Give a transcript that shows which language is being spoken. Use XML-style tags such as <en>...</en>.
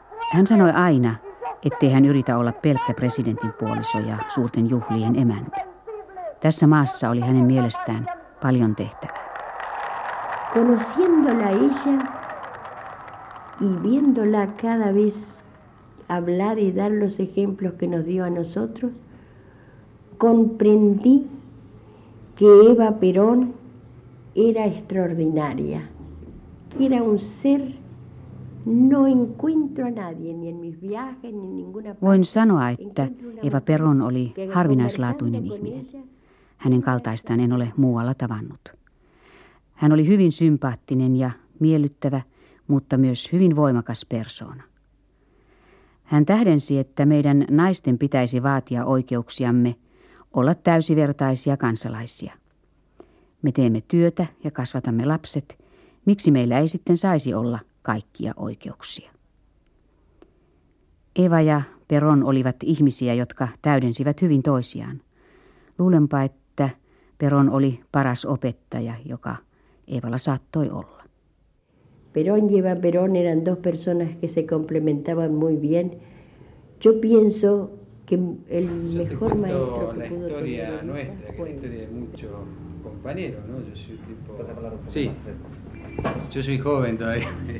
<fi>Hän sanoi aina, ettei hän yritä olla pelkkä presidentin puoliso ja suurten juhlien emäntä. Tässä maassa oli hänen mielestään paljon tehtävää.</fi> <es>Conociéndola ella y viéndola cada vez hablar y dar los ejemplos que nos dio a nosotros, comprendí que Eva Perón era extraordinaria. Que era un ser no encuentro a nadie ni en mis viajes ni en ninguna parte.</es> <fi>Voin sanoa, että Eva Perón oli harvinaislaatuinen ihminen. Hänen kaltaistaan en ole muualla tavannut. Hän oli hyvin sympaattinen ja miellyttävä, mutta myös hyvin voimakas persoona. Hän tähdensi, että meidän naisten pitäisi vaatia oikeuksiamme olla täysivertaisia kansalaisia. Me teemme työtä ja kasvatamme lapset. Miksi meillä ei sitten saisi olla kaikkia oikeuksia? Eva ja Perón olivat ihmisiä, jotka täydensivät hyvin toisiaan. Luulenpa, että Perón oli paras opettaja, joka Evalla saattoi olla.</fi> <es>Perón y Eva Perón eran dos personas que se complementaban muy bien. Yo pienso que el mejor maestro que pudo tener. La historia nuestra, que la historia de muchos compañeros, ¿no? Yo soy un tipo. Sí. Yo soy joven todavía.</es>